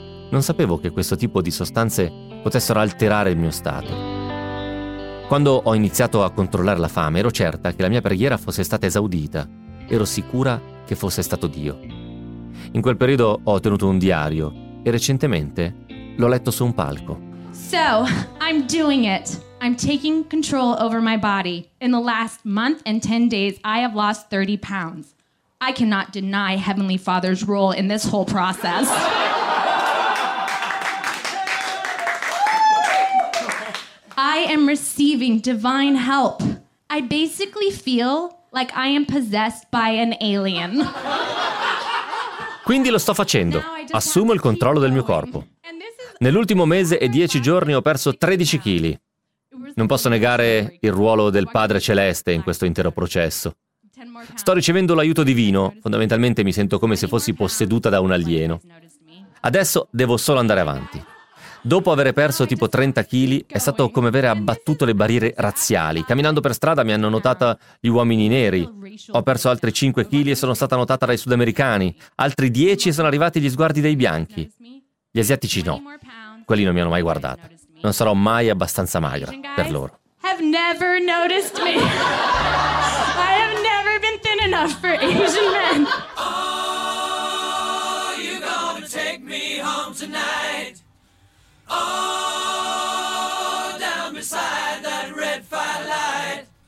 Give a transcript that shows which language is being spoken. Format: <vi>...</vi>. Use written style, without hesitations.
<it>Non sapevo che questo tipo di sostanze potessero alterare il mio stato. Quando ho iniziato a controllare la fame, ero certa che la mia preghiera fosse stata esaudita. Ero sicura che fosse stato Dio. In quel periodo ho tenuto un diario e recentemente l'ho letto su un palco.</it> <en>So, I'm doing it. I'm taking control over my body. In the last month and 10 days, I have lost 30 pounds. I cannot deny Heavenly Father's role in this whole process. I am receiving divine help. I basically feel like I am possessed by an alien.</en> <it>Quindi lo sto facendo. Assumo il controllo del mio corpo. Nell'ultimo mese e 10 giorni ho perso 13 kg. Non posso negare il ruolo del Padre Celeste in questo intero processo. Sto ricevendo l'aiuto divino, fondamentalmente mi sento come se fossi posseduta da un alieno. Adesso devo solo andare avanti. Dopo aver perso tipo 30 kg, è stato come avere abbattuto le barriere razziali. Camminando per strada mi hanno notata gli uomini neri. Ho perso altri 5 kg e sono stata notata dai sudamericani. Altri 10 sono arrivati gli sguardi dei bianchi. Gli asiatici no, quelli non mi hanno mai guardata. Non sarò mai abbastanza magra per loro.</it> <en>Have never noticed me. I have never been thin enough for Asian men. Oh, you gonna take me home tonight. Oh, down beside that red firelight.</en>